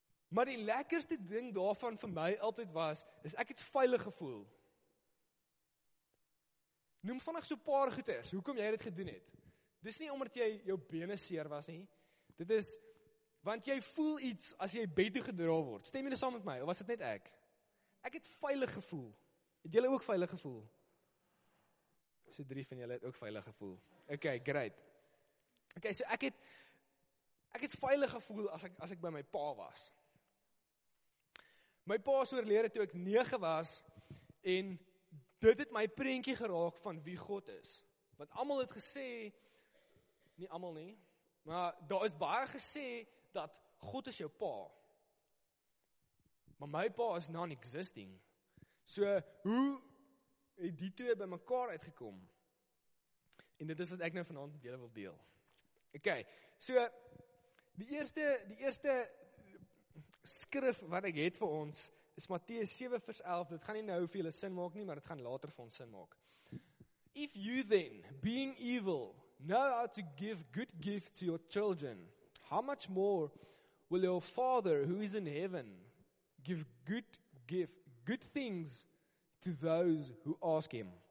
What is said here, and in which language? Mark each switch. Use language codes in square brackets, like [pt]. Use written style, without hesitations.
[af] Maar die lekkerste ding daarvan vir my altyd was, is ek het veilig gevoel. Noem vannig so paar goeders, hoekom jy dit gedoen het. Dis nie omdat jy jou bene seer was nie. Dit is, want jy voel iets as jy bed toe gedra word. Stem jy saam met my, of was dit net ek? Ek het veilig gevoel. Het jylle ook veilig gevoel? So drie van jylle het ook veilig gevoel. Ok, great. Ok, so ek het veilig gevoel as ek by my pa was. My pa is oorlede toe ek 9 was, en dit het my prentjie geraak van wie God is. Want allemaal het gesê, nie allemaal nie, maar daar is baie gesê dat God is jou pa. Maar my pa is non-existing. So, hoe het die twee by mekaar uitgekom? En dit is wat ek nou vanavond met julle wil deel. Ok, so, die eerste skrif wat ek het vir ons, is Matteus 7 vers 11, dit gaan nie nou vir julle sin maak nie, maar dit gaan later vir ons sin maak. [en] If you then, being evil, know how to give good gifts to your children, how much more will your Father who is in heaven give good things to those who ask him?